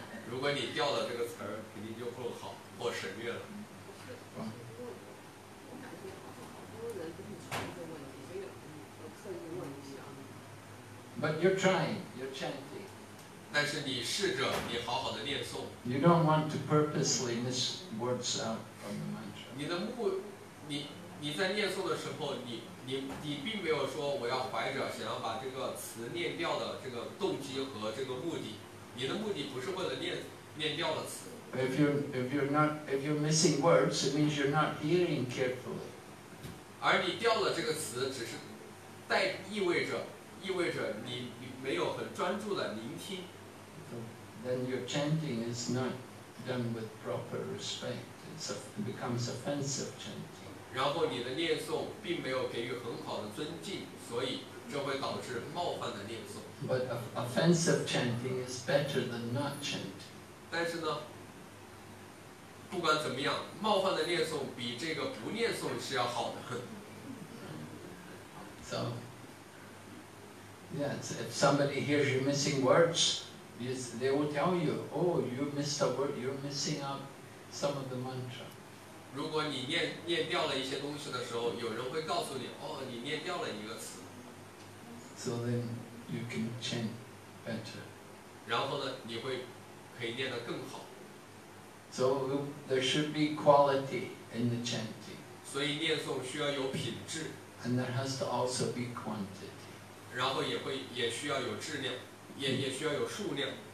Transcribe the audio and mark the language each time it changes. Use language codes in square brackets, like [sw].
[zh] 如果你掉了这个词儿，肯定就不好或省略了。我感觉好像好多人都会出这个问题，没有，我特意问一下。 [en] But you're trying, you're chanting. [zh] 但是你试着，你好好的念诵。 [en] You don't want to purposely miss words out from the mantra. [zh] 你的目，你在念诵的时候，你并没有说我要怀着想要把这个词念掉的这个动机和这个目的，你的目的不是为了念掉的词。 [en] If you're missing words, it means you're not hearing carefully. [zh] 而你掉了这个词，只是带意味着你没有很专注的聆听。 [en] Then your chanting is not done with proper respect. It becomes offensive chanting. [zh] 然后你的念诵并没有给予很好的尊敬，所以这会导致冒犯的念诵。 [en] But offensive chanting is better than not chanting. [zh] 但是呢，不管怎么样，冒犯的念诵比这个不念诵是要好的。 [en] So, yes, if somebody hears you missing words, yes, they will tell you, oh, you missed a word, you're missing out some of the mantra. [zh] 如果你念掉了一些东西的时候，有人会告诉你，哦，你念掉了一个词。 [en] So then you can chant better. [zh] 然后呢，你会可以念得更好。 [en] So there should be quality in the chanting. [zh] 所以念诵需要有品质。 [en] And there has to also be quantity. [zh] 然后也需要有质量，也需要有数量。